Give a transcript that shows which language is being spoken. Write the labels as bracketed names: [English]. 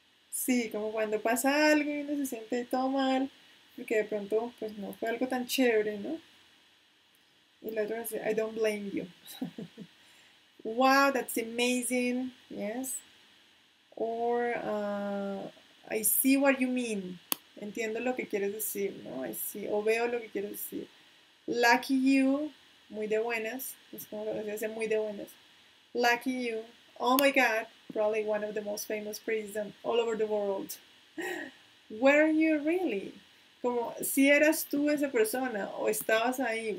[Spanish] Sí, como cuando pasa algo y uno se siente todo mal, porque de pronto pues no fue algo tan chévere, ¿no? Y la otra dice, [English] I don't blame you. Wow, that's amazing. Yes. Or, I see what you mean. [Spanish] Entiendo lo que quieres decir, ¿no? [English] I see, [Spanish] o veo lo que quieres decir. [English] Lucky you, [Spanish] muy de buenas. Es como lo decía, muy de buenas. [English] Lucky you. Oh my God. Probably one of the most famous prisons all over the world. Where are you really? [Spanish] Como si eras tú esa persona o estabas ahí.